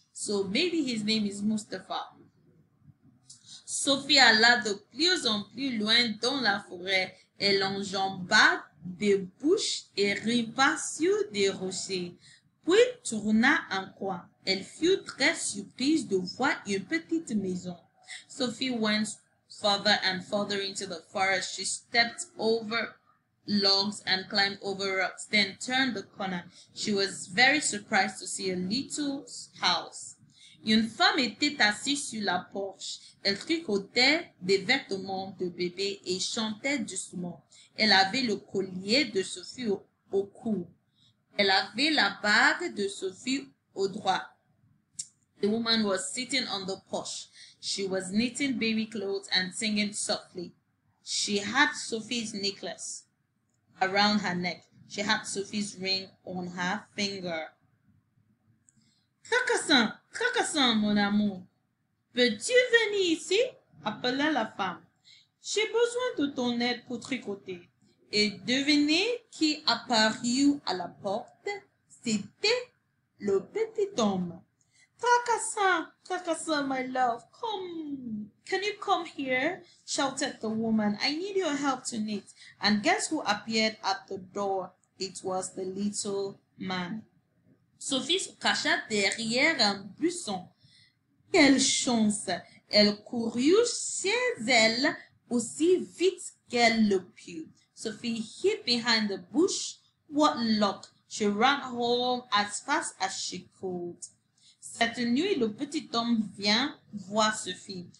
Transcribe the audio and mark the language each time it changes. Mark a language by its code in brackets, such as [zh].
[en] So maybe his name is Mustafa. [fr] Sophie alla de plus en plus loin dans la forêt. Elle enjamba des bûches et rampa sur des rochers. Puis tourna en coin. Elle fut très surprise de voir une petite maison. [en] Sophie went further and further into the forest. She stepped over logs and climbed over rocks, then turned the corner. She was very surprised to see a little house. [fr] Une femme était assise sur la porche. Elle tricotait des vêtements de bébé et chantait doucement. Elle avait le collier de Sophie au cou. Elle avait la bague de Sophie au doigt. [en] The woman was sitting on the porch. She was knitting baby clothes and singing softly. She had Sophie's necklace around her neck. She had Sophie's ring on her finger. [fr] Cracassin, cracassin, mon amour. Peux-tu venir ici? Appela la femme. J'ai besoin de ton aide pour tricoter. Et devinez qui apparut à la porte? C'était le petit homme. [en] Cracassin, cracassin, my love, come. Can you come here? Shouted the woman. I need your help to knit. And guess who appeared at the door? It was the little man. [fr] Sophie se cacha derrière un buisson. Quelle chance! Elle courut chez elle aussi vite qu'elle le put. [en] Sophie hid behind the bush. What luck! She ran home as fast as she could. [fr] Cette nuit, le petit homme vient voir Sophie.